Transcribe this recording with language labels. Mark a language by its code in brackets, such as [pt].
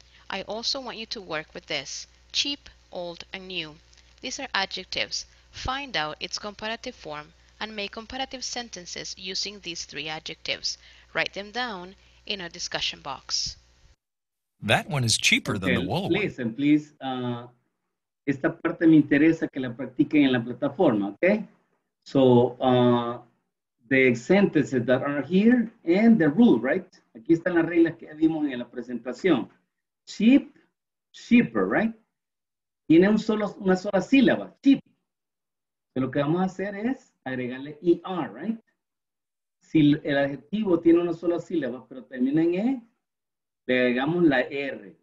[en] I also want you to work with this, cheap, old, and new. These are adjectives. Find out its comparative form and make comparative sentences using these three adjectives. Write them down in our discussion box. That one is cheaper than the wool one. Listen, please. [es] Esta parte me interesa que la practiquen en la plataforma, okay? [en] So, the sentences that are here and the rule, right? [es] Aquí están las reglas que vimos en la presentación. Cheap, cheaper, right? Tiene un solo, una sola sílaba, cheap. Pero lo que vamos a hacer es agregarle ER, right? Si el adjetivo tiene una sola sílaba, pero termina en E, le agregamos la R.